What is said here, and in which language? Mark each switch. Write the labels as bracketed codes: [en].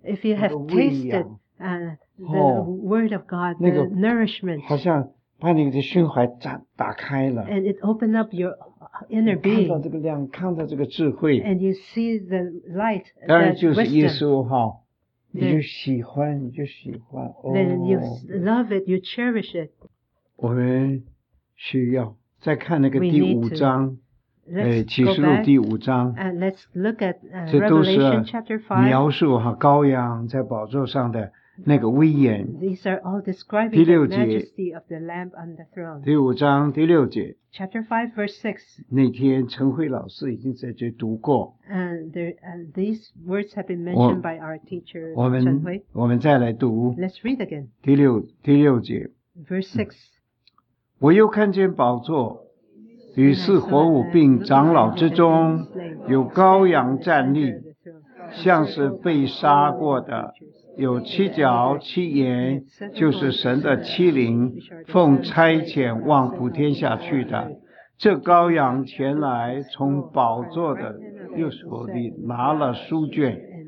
[en] If you have tasted the word of God, the nourishment. [zh] 好像把你的胸怀打开了 [en] And it opened up your inner being. [zh] 看到这个亮，看到这个智慧 [en] And you see the light, the wisdom. [zh] 当然就是耶稣哈。你就喜欢，你就喜欢。 [en] Then you love it, you cherish it. [zh] 我们需要再看那个第五章，启示录第五章。 [en] And let's look at Revelation chapter 5. [zh] 描述哈羔羊在宝座上的那个威严。 [en] These are all describing the majesty of the Lamb on the throne. [zh] 第五章第六节。 [en] Chapter 5, verse 6. [zh] 那天陈慧老师已经在这读过。 [en] And these words have been mentioned by our teacher, Chen Hui. [zh] 我们再来读。 [en] Let's read again. [zh] 第六节。 [en] Verse 6. [zh] 我又看见宝座与四活物并长老之中有羔羊站立像是被杀过的有七角七眼就是神的七灵奉差遣往普天下去的这羔羊前来从宝座的右手里拿了书卷